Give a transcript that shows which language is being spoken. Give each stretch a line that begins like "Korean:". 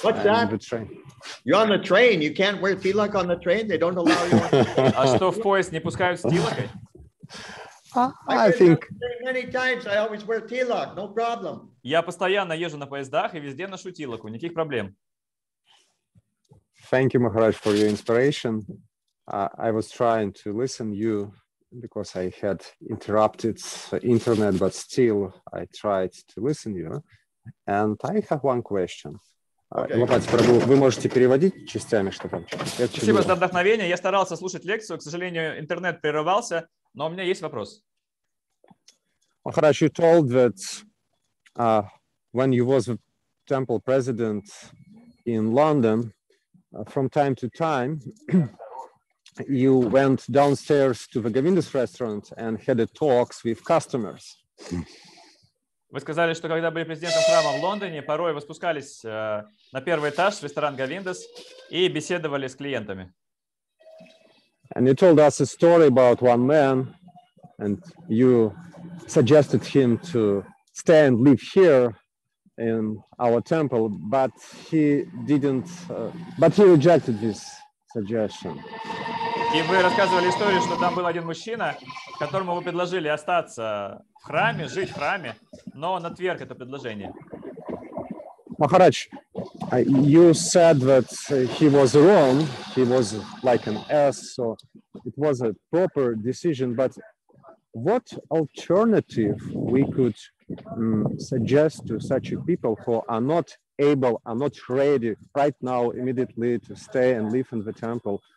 English: What's that? The train. You're on the train. You can't wear tilak on the train. They don't allow you.
Russian: А что в поезд не пускают с тилакой?
English: I think. Many times I always wear tilak. No problem.
Russian: Я постоянно езжу на поездах и везде ношу тилаку. Никаких проблем.
English: Thank you, Maharaj, for your inspiration. I was trying to listen to you because I had interrupted the internet, but still I tried to listen to you. And I have one question. Okay.
Russian: Прабу, вы можете переводить частями, что там? Спасибо за вдохновение. Я старался слушать лекцию. К сожалению, интернет прерывался, но у меня есть вопрос.
English: Maharaj, you told that when you was the temple president in London, from time to time, you went downstairs to the Govinda's restaurant and had a talks with customers.
Russian: Вы сказали, что когда были президентом храма в Лондоне, порой вы спускались на первый этаж в ресторан Govinda's и беседовали с клиентами.
English: And you told us a story about one man, and you suggested him to stay and live here in our temple, but he didn't, but he rejected this suggestion.
Russian: И вы рассказывали историю, что там был один мужчина, которому вы предложили остаться в храме, жить в храме, но он отверг это предложение.
English: Maharaj, you said that he was wrong, he was like an ass, so it was a proper decision, but what alternative we could suggest to such people who are not able, are not ready right now immediately to stay and live in the temple?